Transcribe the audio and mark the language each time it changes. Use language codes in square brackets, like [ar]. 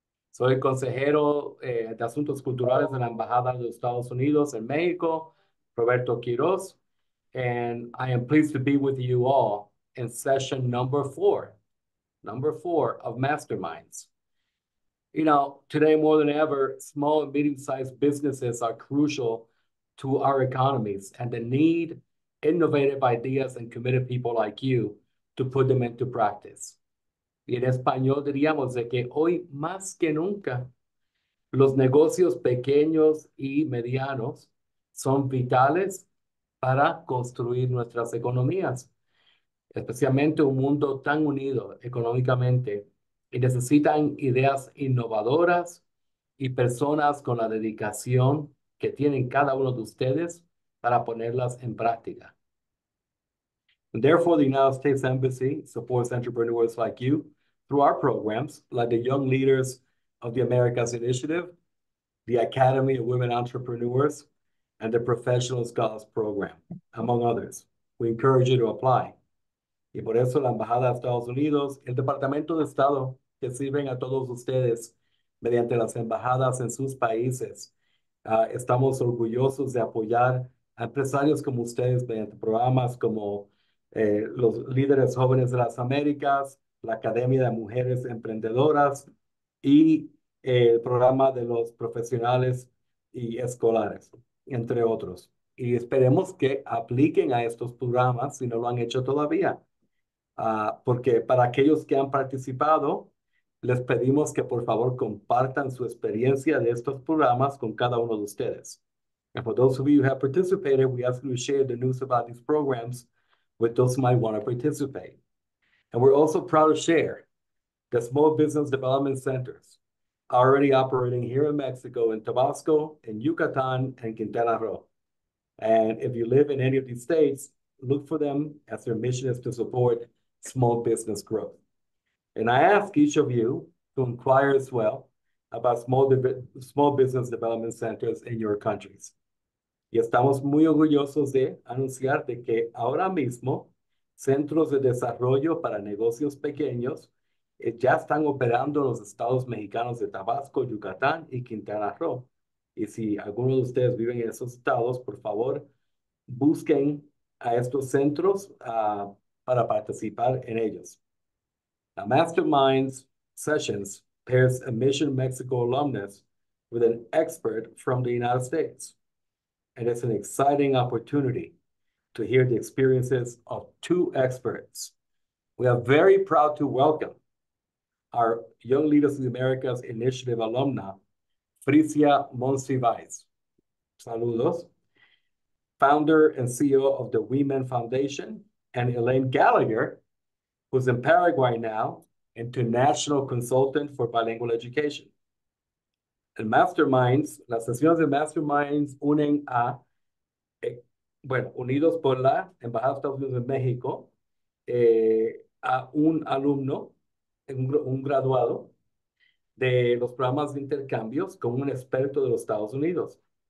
[es] Soy consejero de asuntos culturales de la Embajada de Estados Unidos en México, Roberto Quiroz. [en] And I am pleased to be with you all in session number four of Masterminds. You know, today more than ever, small and medium-sized businesses are crucial to our economies, and they need innovative ideas and committed people like you to put them into practice. [es] Y en español diríamos de que hoy más que nunca, los negocios pequeños y medianos son vitales para construir nuestras economías, especialmente un mundo tan unido económicamente y necesitan ideas innovadoras y personas con la dedicación que tienen cada uno de ustedes para ponerlas en práctica. [en] Therefore, the United States Embassy supports entrepreneurs like you through our programs, like the Young Leaders of the Americas Initiative, the Academy of Women Entrepreneurs, and the Professional Scholars Program, among others. We encourage you to apply. [es] Y por eso la Embajada de Estados Unidos, el Departamento de Estado, que sirven a todos ustedes mediante las embajadas en sus países, estamos orgullosos de apoyar a empresarios como ustedes mediante programas como los Líderes Jóvenes de las Américas, la Academia de Mujeres Emprendedoras y el programa de los profesionales y escolares, entre otros. Y esperemos que apliquen a estos programas si no lo han hecho todavía. Porque para aquellos que han participado, les pedimos que por favor compartan su experiencia de estos programas con cada uno de ustedes. [en] And for those of you who have participated, we ask you to share the news about these programs with those who might want to participate. And we're also proud to share that small business development centers are already operating here in Mexico, in Tabasco, in Yucatan, and Quintana Roo. And if you live in any of these states, look for them as their mission is to support small business growth. And I ask each of you to inquire as well about small business development centers in your countries. [es] Y estamos muy orgullosos de anunciar de que ahora mismo centros de desarrollo para negocios pequeños ya están operando en los estados mexicanos de Tabasco, Yucatán y Quintana Roo. Y si alguno de ustedes viven en esos estados, por favor, busquen a estos centros para participar en ellos. [en] Now, Masterminds Sessions pairs a Mission Mexico alumnus with an expert from the United States. And it's an exciting opportunity to hear the experiences of two experts. We are very proud to welcome our Young Leaders of the Americas Initiative alumna, Frissia Monsivais. Saludos. Founder and CEO of the Women Foundation, and Elaine Gallagher, who's in Paraguay now, international consultant for bilingual education. [es] And Masterminds, las sesiones de Masterminds unen a, bueno, unidos por la Embajada de Estados Unidos de México, a un alumno, un graduado de los programas de intercambios con un experto de los Estados Unidos.